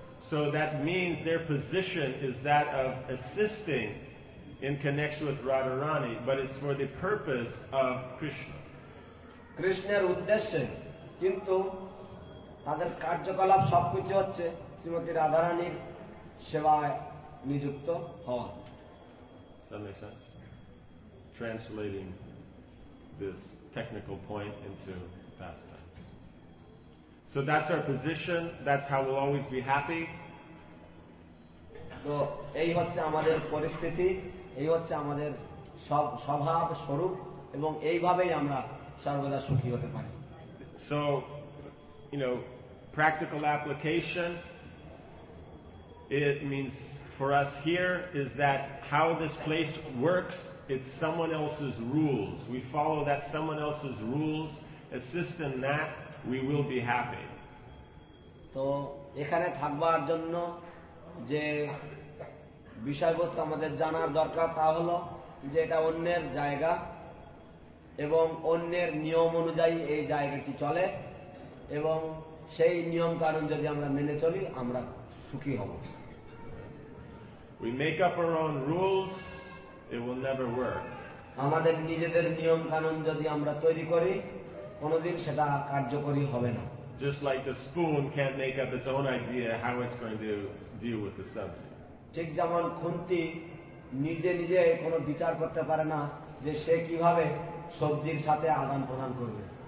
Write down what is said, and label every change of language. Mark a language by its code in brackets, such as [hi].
[en] So that means their position is that of assisting in connection with Radharani, but it's for the purpose of Krishna. [bn] Krishna-r uddeshe kintu তাদের কার্যকলাপ সবকিছু হচ্ছে শ্রীমতী রাধারানীর সেবায় নিযুক্ত হওয়া [en] translating this technical point into past time so that's our position that's how will always be happy [bn] তো এই হচ্ছে আমাদের পরিস্থিতি এই হচ্ছে আমাদের স্বভাব স্বরূপ এবং এইভাবেই আমরা সর্বদা সুখী হতে পারি [en] So You know, practical application, it means for us here is that how this place works, it's someone else's rules. We follow that someone else's rules, assist in that, we will be happy. [bn] So, এখানে থাকবার জন্য যে বিষয়বস্তু আমাদের জানার দরকার তা হলো যে এটা অন্যের জায়গা এবং অন্যের নিয়ম অনুযায়ী এই জায়গাটি চলে এবং সেই নিয়ম কারণ যদি আমরা মেনে চলি আমরা সুখী হব [en] We make up our own rules it will never work [bn] আমাদের নিজেদের নিয়ম কানুন যদি আমরা তৈরি করি কোনোদিন সেটা কার্যকরী হবে না [en] Just like the spoon can't make up its own idea how it's going to deal with the subject [bn] ঠিক যেমন খুন্তি নিজে নিজে কোনো বিচার করতে পারে না যে সে কিভাবে সবজির সাথে আদান প্রদান করবে